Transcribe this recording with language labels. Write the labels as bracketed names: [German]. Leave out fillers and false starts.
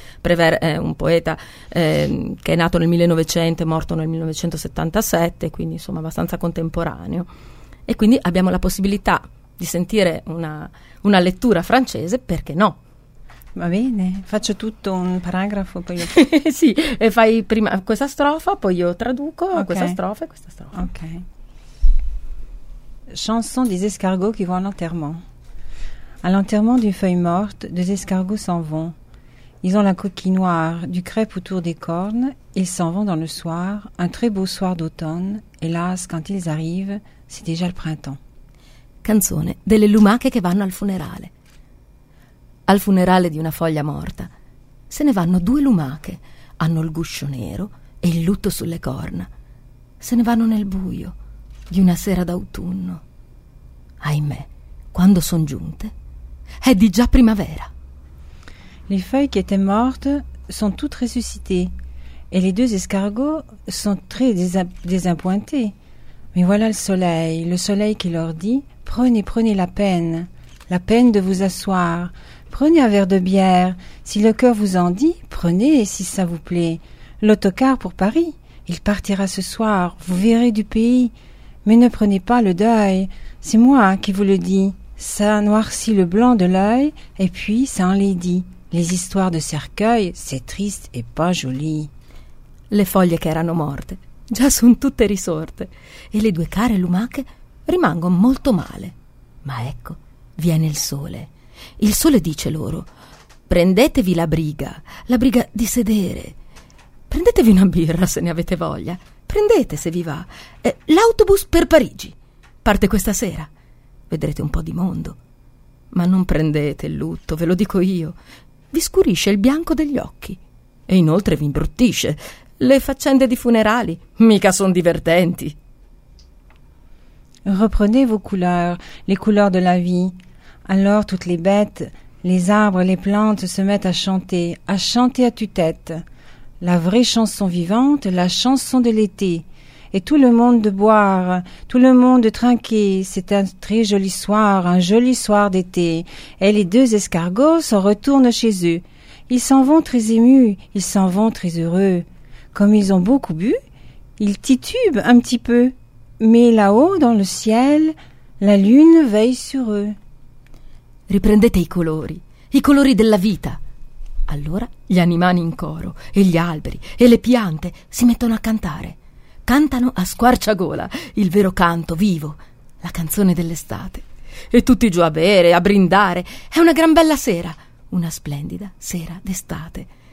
[Italian] Prévert è un poeta che è nato nel 1900 e morto nel 1977, quindi insomma abbastanza contemporaneo, e quindi abbiamo la possibilità di sentire una lettura francese, perché no? Va bene, faccio tutto un paragrafo, poi io... Sì, e fai prima questa strofa, poi io traduco, okay. Questa strofa e questa strofa. Ok. [French] Chanson des escargots qui vont à l'enterrement. À l'enterrement d'une feuille morte, deux escargots s'en vont. Ils ont la coquille noire, du crêpe autour des cornes. Ils s'en vont dans le soir, un très beau soir d'automne. Hélas, quand ils arrivent, c'est déjà le printemps. [Italian] Canzone delle lumache che vanno al funerale. Al funerale di una foglia morta. Se ne vanno due lumache. Hanno il guscio nero e il lutto sulle corna. Se ne vanno nel buio di una sera d'autunno. Ahimè, quando son giunte, è di già primavera. [French] Les feuilles qui étaient mortes sont toutes ressuscitées et les deux escargots sont très désappointés. Mais voilà le soleil qui leur dit « Prenez, prenez la peine de vous asseoir. Prenez un verre de bière. Si le cœur vous en dit, prenez, si ça vous plaît. L'autocar pour Paris, il partira ce soir, vous verrez du pays. Mais ne prenez pas le deuil, c'est moi qui vous le dis. Ça noircit le blanc de l'œil et puis ça enlaidit. Les histoires de cercueil, c'est triste et pas joli. [Italian] Le foglie che erano morte già son tutte risorte e le due care lumache rimangono molto male. Ma ecco, viene il sole. Il sole dice loro: prendetevi la briga di sedere. Prendetevi una birra se ne avete voglia. Prendete se vi va. L'autobus per Parigi parte questa sera. Vedrete un po' di mondo. Ma non prendete il lutto, ve lo dico io. Vi scurisce il bianco degli occhi e inoltre vi imbruttisce. Le faccende di funerali mica sono divertenti. [French] Reprenez vos couleurs, les couleurs de la vie. Alors toutes les bêtes, les arbres, les plantes se mettent à chanter à tue-tête. La vraie chanson vivante, la chanson de l'été. Et tout le monde de boire, tout le monde de trinquer, c'est un très joli soir, un joli soir d'été. Et les deux escargots s'en retournent chez eux. Ils s'en vont très émus, ils s'en vont très heureux. Comme ils ont beaucoup bu, ils titubent un petit peu. Mais là-haut, dans le ciel, la lune veille sur eux. [Italian] Riprendete i colori della vita. Allora gli animali in coro, e gli alberi, e le piante si mettono a cantare. Cantano a squarciagola il vero canto vivo, la canzone dell'estate. E tutti giù a bere, a brindare. È una gran bella sera, una splendida sera d'estate.